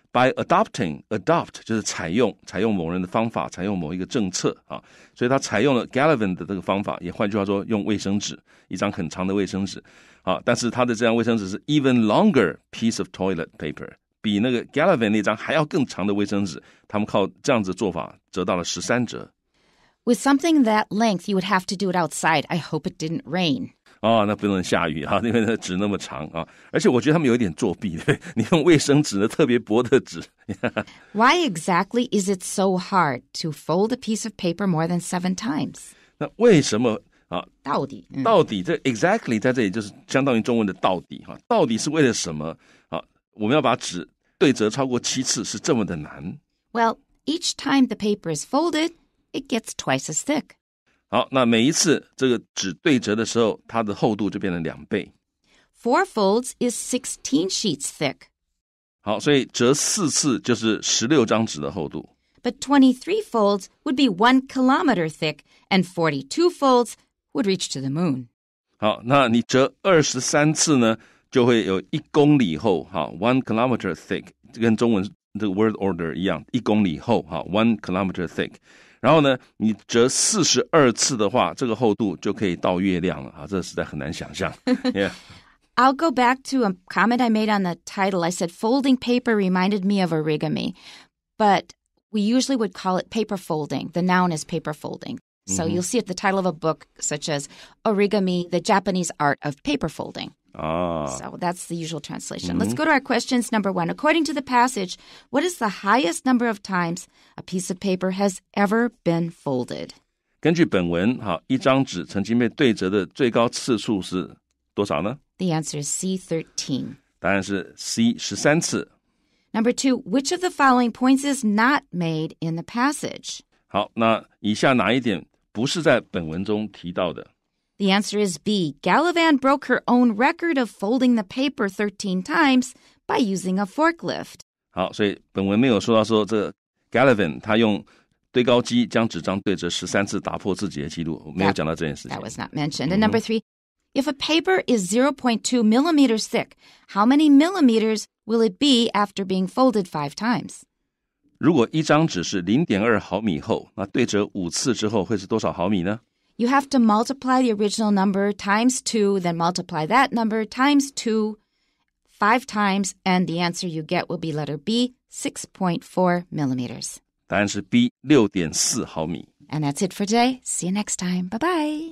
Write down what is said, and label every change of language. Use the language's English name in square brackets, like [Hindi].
[English] By adopting, adopt, [Chinese] 就是采用，采用某人的方法，采用某一个政策、啊、所以他采用了 Galvan 的这个方法，也换句话说用卫生纸，一张很长的卫生纸、啊、但是他的这张卫生纸是 [English] even longer piece of toilet paper, [Chinese] 比那个 Galvan 那张还要更长的卫生纸，他们靠这样子做法折到了13折。 [English] With something that length, you would have to do it outside. I hope it didn't rain. [Chinese] 哦，那不能下雨啊，因为那纸那么长啊。而且我觉得他们有一点作弊，对，你用卫生纸的特别薄的纸。 [English] Why exactly is it so hard to fold a piece of paper more than 7 times? [Chinese] 那为什么啊？到底、嗯、到底这 exactly 在这里就是相当于中文的到底、啊、到底是为了什么？我们要把纸对折超过七次是这么的难。 [English] Well, each time the paper is folded, it gets twice as thick. [Chinese] 好，那每一次这个纸对折的时候，它的厚度就变成两倍。 [English] Four folds is 16 sheets thick. [Chinese] 好，所以折四次就是16张纸的厚度。 [English] But 23 folds would be 1 kilometer thick, and 42 folds would reach to the moon. [Chinese] 好，那你折23次呢？就会有一公里厚 [English] 1 kilometer thick， [Chinese] 跟中文的 [English] word order [Chinese] 一样，一公里厚 1 kilometer thick， 然后呢你折42次的话，这个厚度就可以到月亮了，这实在很难想象、yeah. [English] I'll go back to a comment I made on the title. I said folding paper reminded me of origami, but we usually would call it paper folding. The noun is paper folding. So you'll see it the title of a book such as Origami, the Japanese Art of Paper Folding. So that's the usual translation. Let's go to our questions. Number one, according to the passage, what is the highest number of times a piece of paper has ever been folded? [Chinese] 根据本文，一张纸曾经被对折的最高次数是多少呢？ [English] The answer is C13. [Chinese] 答案是 C13 次。 [English] Number two, which of the following points is not made in the passage? [Chinese] 好，那以下哪一点不是在本文中提到的？ [English] The answer is B. Galvan broke her own record of folding the paper 13 times by using a forklift. [Chinese] 好，所以本文没有说到说这 Galvan 他用堆高机将纸张对折13次打破自己的记录，没有讲到这件事情。 [English] That was not mentioned. And number three, if a paper is 0.2 millimeters thick, how many millimeters will it be after being folded 5 times? [Chinese] 如果一张纸是 0.2 毫米厚，那对折五次之后会是多少毫米呢？ [English] You have to multiply the original number times 2, then multiply that number times 2, 5 times, and the answer you get will be letter B, 6.4 millimeters. [Chinese] 答案是 B, 6.4 毫米. [English] And that's it for today. See you next time. Bye-bye.